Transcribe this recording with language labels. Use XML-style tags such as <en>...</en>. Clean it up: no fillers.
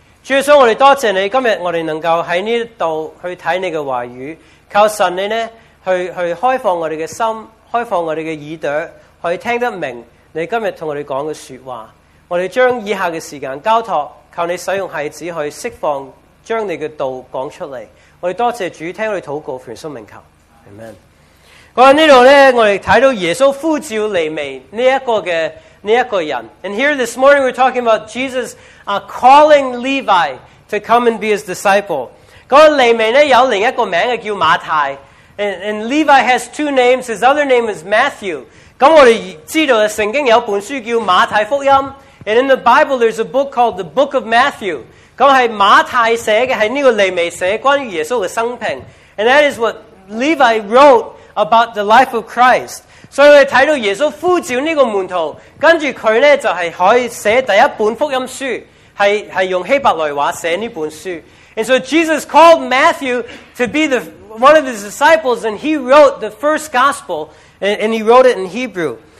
<zh>主耶稣，我们多谢你今天我们能够在这里去看你的话语，求神你呢 去开放我们的心，开放我们的耳朵，去听得明你今天跟我们讲的说话。我们将以下的时间交托，求你使用孩子去释放，将你的道讲出来。我们多谢主，听我们祷告，奉圣名求， Amen。在这里呢，我们看到耶稣呼召利未这个人。</zh> <en>And here this morning we're talking about Jesus calling Levi to come and be his disciple。</en> <zh>那个利未呢，有另一个名字叫马太。</zh> <en>And Levi has two names, his other name is Matthew。</en> <zh>那我们知道圣经有本书叫马太福音。</zh> <en>And in the Bible, there's a book called the Book of Matthew.</en> <zh>那是马太写的，是这个利未写的，关于耶稣的生平。</zh> <en>And that is what Levi wrote about the life of Christ.</en> <zh>所以我们看到耶稣呼召这个门徒，跟着他呢，就是可以写第一本福音书，是用希伯来话写这本书。</zh> <en>And so Jesus called Matthew to be one of his disciples, and he wrote the first gospel, and he wrote it in Hebrew.</en>